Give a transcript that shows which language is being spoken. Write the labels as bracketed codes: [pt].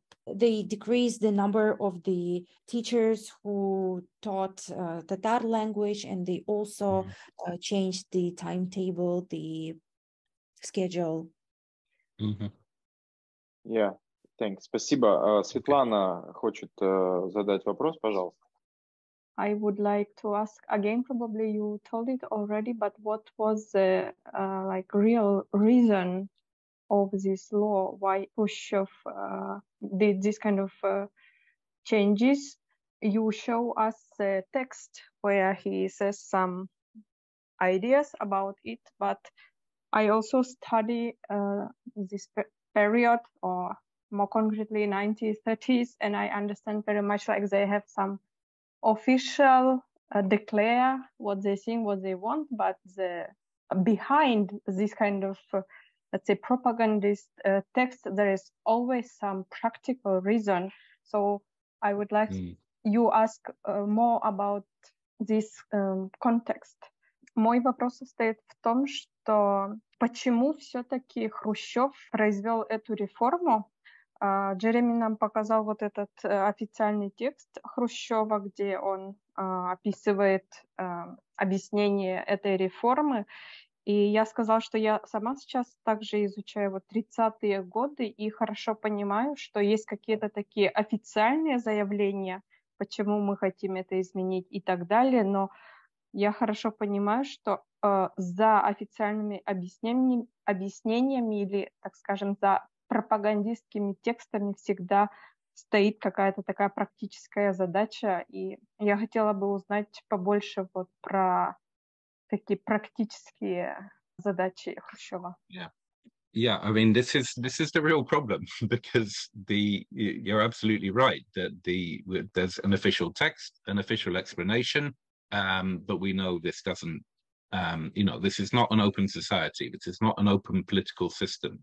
[en] They decreased the number of the teachers who taught Tatar language, and they also changed the timetable, the schedule. Mm-hmm. Yeah, thanks. Спасибо. [ru] Светлана хочет задать вопрос, пожалуйста. [en] I would like to ask again, probably you told it already, but what was the like real reason of this law, why push of did this kind of changes? You show us a text where he says some ideas about it, but I also study this period, or more concretely 1930s, and I understand very much like they have some official declare what they think, what they want, but the behind this kind of let's say propagandist text, there is always some practical reason. So I would like you ask more about this context. [ru] Мой вопрос состоит в том, что почему все-таки Хрущев произвел эту реформу? Джереми нам показал вот этот официальный текст Хрущева, где он описывает объяснение этой реформы. И я сказала, что я сама сейчас также изучаю вот 30-е годы и хорошо понимаю, что есть какие-то такие официальные заявления, почему мы хотим это изменить и так далее, но я хорошо понимаю, что за официальными объяснениями или, так скажем, за пропагандистскими текстами всегда стоит какая-то такая практическая задача. И я хотела бы узнать побольше вот про такие практические задачи Хрущева. [en] Yeah, I mean, this is the real problem, because you're absolutely right that there's an official text, an official explanation, but we know this doesn't, you know, this is not an open society, this is not an open political system.